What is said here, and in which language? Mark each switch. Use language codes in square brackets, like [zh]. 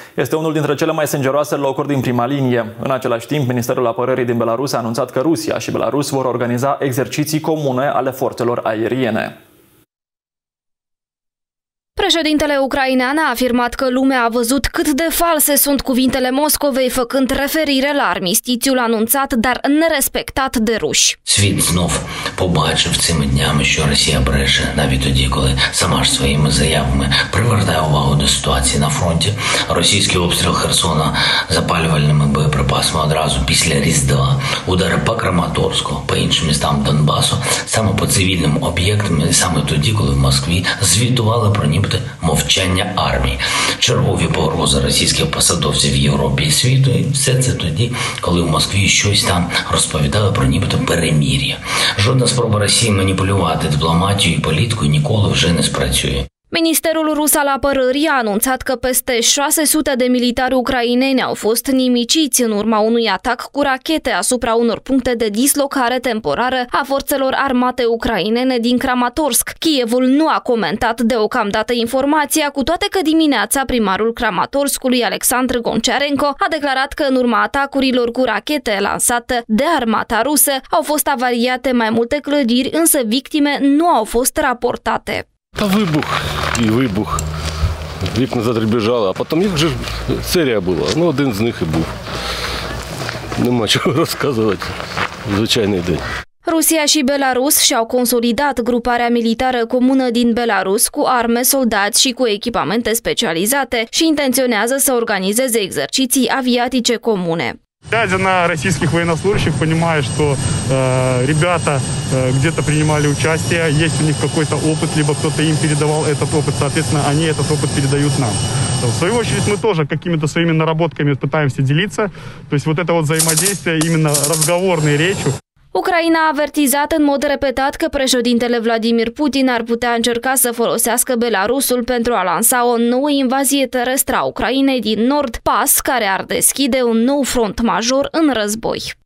[ro] Este unul dintre cele mai sângeroase locuri din prima linie. În același timp, Ministerul Apărării din Belarus a anunțat că Rusia și Belarus vor organiza exerciții comune ale forțelor aeriene. Președintele ucrainean a afirmat că lumea a văzut cât de false sunt cuvintele Moscovei, făcând referire la armistițiul anunțat, dar nerespectat de ruși. [uk] Світ знов побачив цими днями, що Росія бреше, навіть тоді, коли сама ж своїми заявами привертає увагу до ситуації на фронті. Російський обстріл Херсона запалювальними боєприпасами одразу після Різдва, удари по Краматорську, по іншим містам Донбасу, саме по цивільним об'єктам, саме тоді, коли в Москві звітували про ніби мовчання армії. Чергові погрози російських посадовців в Європі і світу. І все це тоді, коли в Москві щось там розповідали про нібито перемір'я. Жодна спроба Росії маніпулювати дипломатією і політикою ніколи вже не спрацює. [ro] Ministerul rus al apărării a anunțat că peste 600 de militari ucraineni au fost nimiciți în urma unui atac cu rachete asupra unor puncte de dislocare temporară a forțelor armate ucrainene din Kramatorsk. Kievul nu a comentat deocamdată informația, cu toate că dimineața primarul Kramatorskului, Alexandru Goncearenko, a declarat că în urma atacurilor cu rachete lansate de armata rusă au fost avariate mai multe clădiri, însă victime nu au fost raportate. [uk] Та вибух і вибух. Вікна задребіжали, а потім їх вже серія була. Ну, один з них і був. Нема чого розказувати. Звичайний день. [ro] Rusia și Belarus și-au consolidat gruparea militară comună din Belarus cu arme, soldați și cu echipamente specializate și intenționează să organizeze exerciții aviatice comune. [ru] Глядя на российских военнослужащих, понимаю, что ребята где-то принимали участие, есть у них какой-то опыт, либо кто-то им передавал этот опыт, соответственно, они этот опыт передают нам. В свою очередь, мы тоже какими-то своими наработками пытаемся делиться, то есть вот это вот взаимодействие, именно разговорной речью. [ro] Ucraina a avertizat în mod repetat că președintele Vladimir Putin ar putea încerca să folosească Belarusul pentru a lansa o nouă invazie terestră a Ucrainei din nord, pas care ar deschide un nou front major în război.